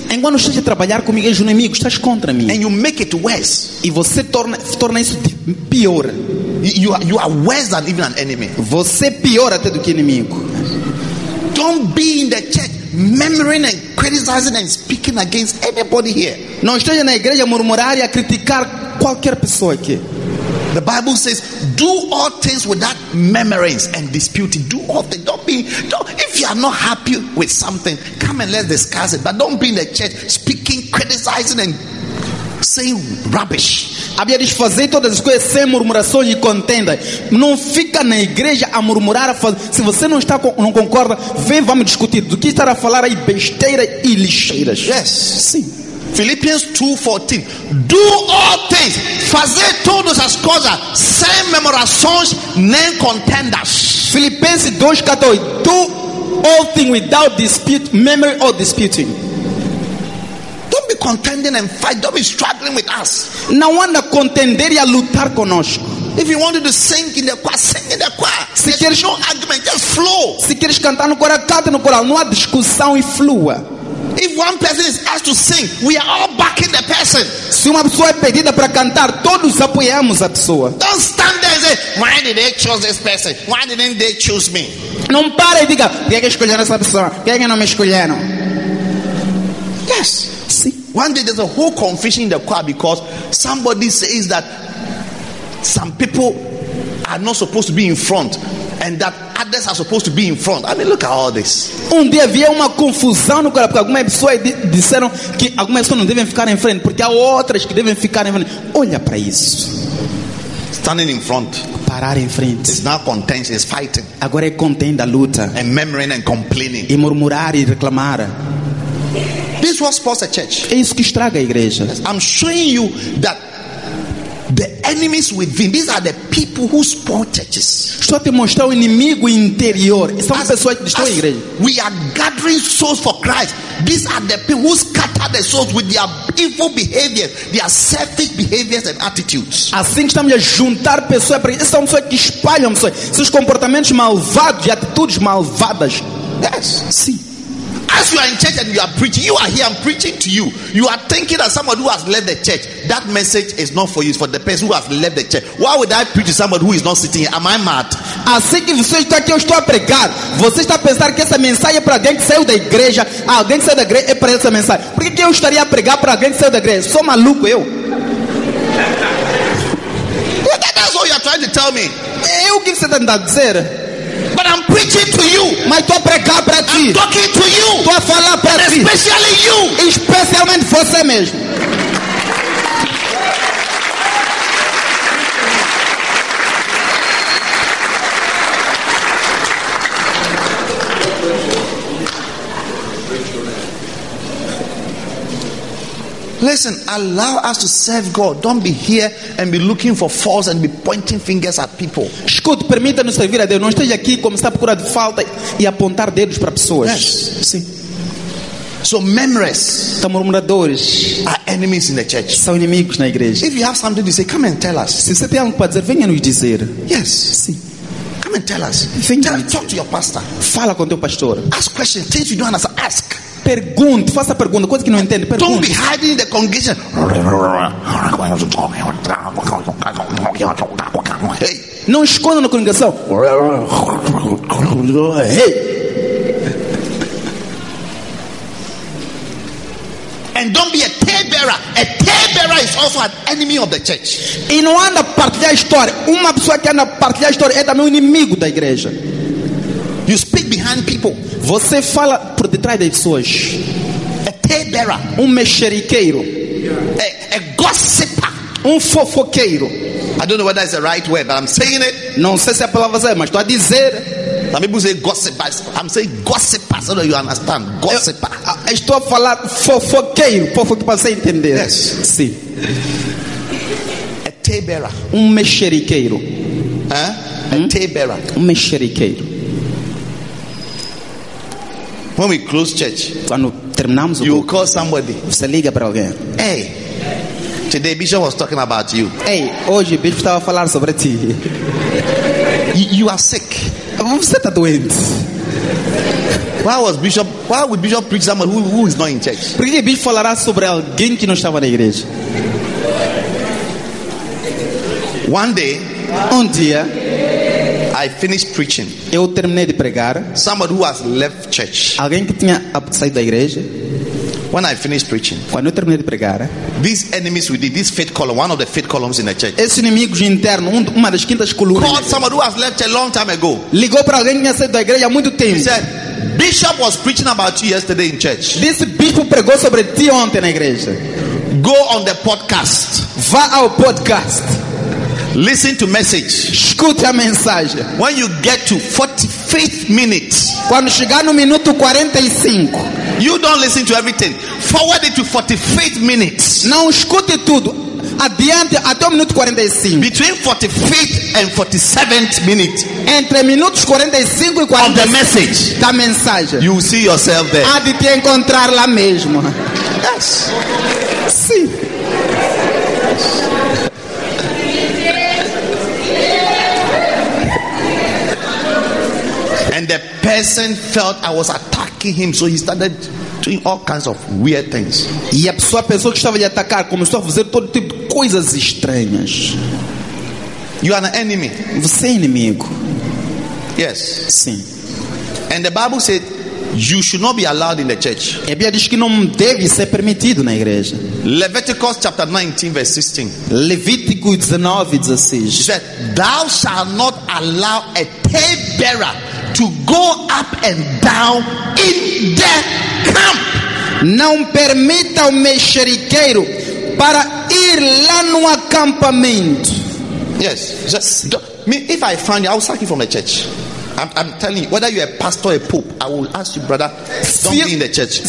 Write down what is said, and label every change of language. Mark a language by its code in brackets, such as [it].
[pt] Enquanto estás a trabalhar comigo, és inimigo. Estás contra mim. [en] And you make it worse. [pt] E você torna isso pior. [en] You are worse than even an enemy. [pt] Você é pior até do que inimigo. [en] Don't be in the church murmuring and criticizing and speaking against anybody here. [pt] Não esteja na igreja murmurar e a criticar qualquer pessoa aqui. [en] The Bible says, do all things without murmurings and disputing. Do all things. If you are not happy with something, come and let's discuss it. But don't be in the church speaking, criticizing and saying rubbish. [pt] A Bíblia diz, fazer todas as coisas sem murmurações e contenda. Não fica na igreja a murmurar, a fazer. Se você não está não concorda, vem, vamos discutir. Do que estar a falar aí besteira e lixeiras? [en] Yes. [pt] Sim. [en] Philippians 2:14. Do all things, [pt] fazer todas as coisas sem murmurações nem contendas. [en] Filipenses 2:14. Do all things without dispute, memory or disputing. Don't be contending and fight. Don't be struggling with us. [pt] Não anda contender e a lutar conosco. [en] If you wanted to sing in the choir, sing in the choir. [pt] Se queres, [en] no argument, just flow. [pt] Se queres cantar no coral, canta no coral. Não há discussão e flua. [en] If one person is asked to sing, we are all backing the person. [pt] Se uma pessoa é pedida para cantar, todos apoiamos a pessoa. [en] Don't stand there and say, why did they choose this person? Why didn't they choose me? [pt] Não pare e diga, quem é que escolheram essa pessoa? Quem é que não me escolheram? [en] Yes. See, one day there's a whole confusion in the choir because somebody says that some people are not supposed to be in front and that others are supposed to be in front. I mean, look at all this. [pt] Um dia havia uma confusão no choir porque algumas pessoas disseram que algumas pessoas não devem ficar em frente porque há outras que devem ficar em frente. Olha para isso. [en] Standing in front. [pt] Parar em frente. [en] It's not contention, it's fighting. [pt] Agora é contenda, luta. [en] And murmuring and complaining. [pt] E murmurar e reclamar. [en] This is what spoils the church. [pt] É isso que estraga a igreja. [en] I'm showing you that the enemies within, these are the people who spoil churches. [pt] Estou a te mostrar o inimigo interior. São as pessoas que destroem a igreja. [en] We are gathering souls for Christ. These are the people who scatter the souls with their evil behaviors, their selfish behaviors and attitudes. [pt] Assim estamos a juntar pessoas para isso. São pessoas que espalham pessoas, seus comportamentos malvados e atitudes malvadas. [en] Yes. [pt] Sim. [en] As you are in church and you are preaching, you are here, I'm preaching to you. You are thinking that somebody who has left the church, that message is not for you, it's for the person who has left the church. Why would I preach to somebody who is not sitting here? Am I mad? [pt] Assim que você está aqui, eu estou a pregar. Você está a pensar que essa mensagem é para alguém que saiu da igreja. Ah, alguém que saiu da igreja é para essa mensagem. Por que eu estaria a pregar para alguém que saiu da igreja? Sou maluco eu. [en] That's what you are trying to tell me. [pt] É o que você está a dizer. [en] But I'm preaching to you. [pt] Mas estou a pregar para ti. [en] I'm talking to you. [pt] Estou a falar para ti. [en] Especially you. [pt] Especialmente você mesmo. [en] Listen, allow us to serve God. Don't be here and be looking for faults and be pointing fingers at people. [pt] Escute, permita-nos servir a Deus. Não esteja aqui como está procurando falta e apontar dedos para pessoas. [en] Yes. [pt] Sim. [en] So memories, [pt] murmuradores, [en] are enemies in the church. [pt] São inimigos na igreja. [en] If you have something to say, come and tell us. [pt] Se você tem algo para dizer, venha nos dizer. [en] Yes. [pt] Sim. [en] Come and tell us. [pt] Venha. [en] Talk to your pastor. [pt] Fala com teu pastor. [en] Ask questions. Things you don't understand. Ask. [pt] Pergunte, faça pergunta, coisa que não entende. Pergunte. [en] Don't be hiding in the congregation. Hey. [pt] Não esconda na congregação. Hey. [en] And don't be a tale bearer. A tale bearer is also an enemy of the church. [pt] E não anda a partilhar a história. Uma pessoa que anda a partilhar a história é também um inimigo da igreja. [en] You speak behind people. [pt] Você fala por detrás das pessoas. [en] A tale bearer. [pt] Mexeriqueiro. [en] Yeah. A gossiper. [pt] Fofoqueiro. [en] I don't know whether it's the right word, but I'm saying it. [pt] Não sei se a palavra é, mas estou a dizer. [en] Some people say gossip, but I'm saying gossiper, so that you understand. Gossiper. [pt] Estou a falar fofoqueiro. Fofoqueiro para você entender. [en] Yes. [pt] Sim. [en] A tale bearer. [pt] Mexeriqueiro. [en] Huh? A tale bearer. [pt] Mexeriqueiro. [en] When we close church, [pt] quando terminamos, [en] you will call somebody. [pt] Você liga para alguém. [en] Hey, today Bishop was talking about you. [pt] Hey, hoje Bishop estava a falar sobre ti. [en] You are sick. [pt] Você está doente. [en] Why would Bishop preach someone who is not in church? [pt] Porque Bishop falará sobre alguém que não estava na igreja. [en] One day, [pt] um dia. [en] I finished preaching. [pt] Eu terminei de pregar. [en] Somebody who has left church. [pt] Alguém que tinha saído da igreja. [en] When I finished preaching. [pt] Quando eu terminei de pregar. [en] These enemies within this faith column, one of the faith columns in the church. [pt] Esses inimigos internos, uma das quintas colunas. [en] Called somebody who has left a long time ago. [pt] Ligou para alguém que tinha saído da igreja há muito tempo. [en] He said, Bishop was preaching about you yesterday in church. [pt] Disse, bispo pregou sobre ti ontem na igreja. [en] Go on the podcast. [pt] Vá ao podcast. [en] Listen to message. [pt] Escute a mensagem. [en] When you get to 45th minute. [pt] Quando chegar no minuto 45. [en] You don't listen to everything. Forward it to 45th minutes. [pt] Não escute tudo. Adiante até o minuto 45. [en] Between 45th and 47th minute. [pt] Entre minutos 45 e 45. [en] Of the message. [pt] Da mensagem. [en] You will see yourself there. [pt] Há de te encontrar lá mesmo. [en] Yes. [pt] Sim. [en] The person felt I was attacking him, so he started doing all kinds of weird things. [pt] E a pessoa pensou que estava a atacar, começou a fazer todo tipo de coisas estranhas. [en] You are an enemy. [pt] Você é inimigo. [en] Yes. [pt] Sim. [en] And the Bible said you should not be allowed in the church. [pt] A Bíblia diz que não deve ser permitido na igreja. [en] Leviticus chapter 19 verse 16. [pt] Levítico 19, 16. [en] He said, thou shalt not allow a tale bearer to go up and down in the camp. [pt] Não permita o mexeriqueiro para ir lá no acampamento. [en] Yes. Just, me, if I find you, I will sack you from the church. I'm telling you, whether you're a pastor or a pope, I will ask you, brother, don't be in the church.